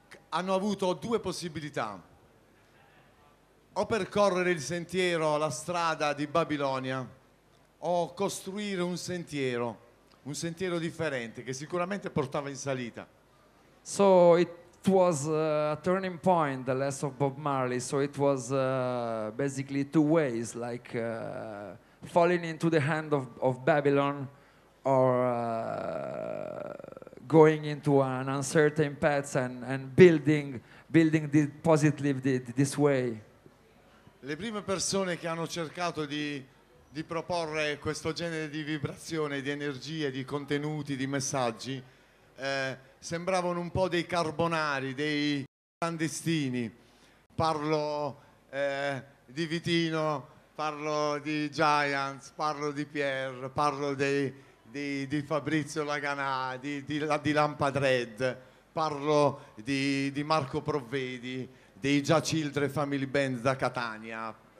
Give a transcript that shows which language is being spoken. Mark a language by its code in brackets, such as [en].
[it] hanno avuto due possibilità: o percorrere il sentiero, la strada di Babilonia, o costruire un sentiero differente che sicuramente portava in salita. [en] So it was a turning point, the last of Bob Marley. So it was basically two ways, like falling into the hand of Babylon or going into an uncertain path and building the positive this way. [it] Le prime persone che hanno cercato di proporre questo genere di vibrazione, di energie, di contenuti, di messaggi, sembravano un po' dei carbonari, dei clandestini. Parlo di Vitino, parlo di Giants, parlo di Pierre, parlo di Fabrizio Laganà, di Lampadred, parlo di Marco Provvedi, dei Già Childre Family Band da Catania.